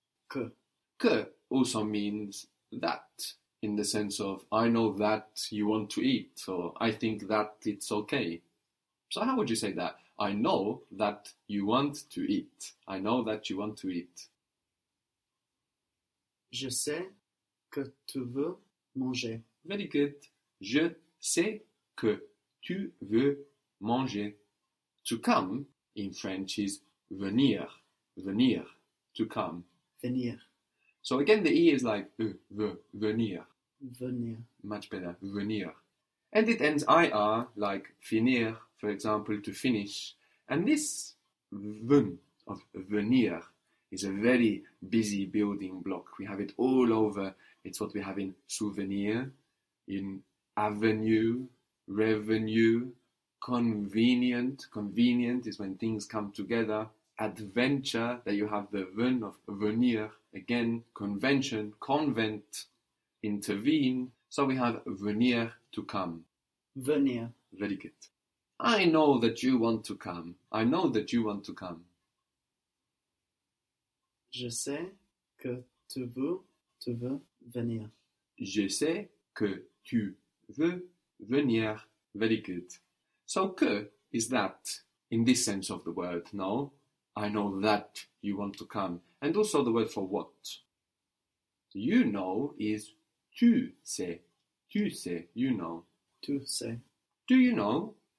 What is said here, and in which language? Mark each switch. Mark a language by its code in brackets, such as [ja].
[fr] Que. [en] Que also means that, in the sense of, I know that you want to eat, or I think that it's okay. So how would you say that? I know that you want to eat. I know that you want to eat. [fr] Je sais que tu veux manger. [en] Very good. [fr] Je sais que tu veux manger. [en] To come, in French, is venir. Venir. To come. [fr] Venir. [en] So again, the E is like venir. [fr] Venir. [en] Much better. Venir. And it ends IR, like finir, for example, to finish. And this ven of venir is a very busy building block. We have it all over. It's what we have in souvenir, in avenue, revenue, convenient. Convenient is when things come together. Adventure, that you have the ven of venir. Again, convention, convent, intervene. So we have venir, to come. Venir. Very good. I know that you want to come. I know that you want to come. [fr] Je sais que tu veux venir. Je sais que tu veux venir. [en] Very good. So que is that in this sense of the word, no? I know that you want to come. And also the word for what? You know is [fr] tu sais. Tu sais, [en] you know. [fr] Tu sais. [en] Do you know?